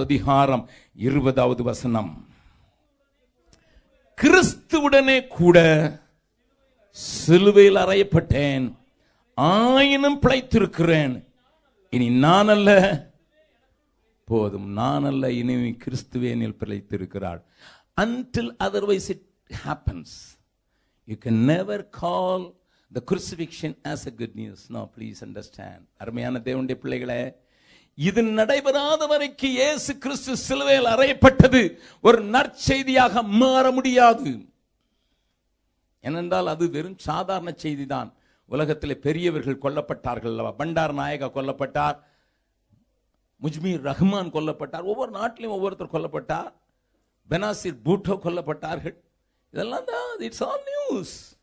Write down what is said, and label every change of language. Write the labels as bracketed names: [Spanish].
[Tamil] 2வது அதிகாரம் 20வது வசனம், கிறிஸ்துவுடனே கூட சிலுவையில் அறையப்பட்டேன், ஆயினும் பிழைத்திருக்கிறேன், இனி நான் அல்ல போதும், நான் அல்ல இனி கிறிஸ்துவேனில் பிழைத்திருக்கிறாள். [English] Until otherwise it happens, you can never call the crucifixion as a good news. Now please understand, [Tamil] அருமையான தேவனுடைய பிள்ளைகளே, இது நடைபெறாத வரைக்கு இயேசு கிறிஸ்து சிலுவையில் அறையப்பட்டது ஒரு நற்செய்தியாக மாற முடியாது. ஏனென்றால் அது வெறும் சாதாரண செய்தி தான். உலகத்தில் பெரியவர்கள் கொல்லப்பட்டார்கள் அல்லவா, பண்டார் நாயகா கொல்லப்பட்டார், முஜ்மீர் ரஹ்மான் கொல்லப்பட்டார், ஒவ்வொரு நாட்டிலும் ஒவ்வொருத்தர் கொல்லப்பட்டார், பெனாசிர் பூட்டோ கொல்லப்பட்டார்கள், இதெல்லாம் தான், [English] It's all news.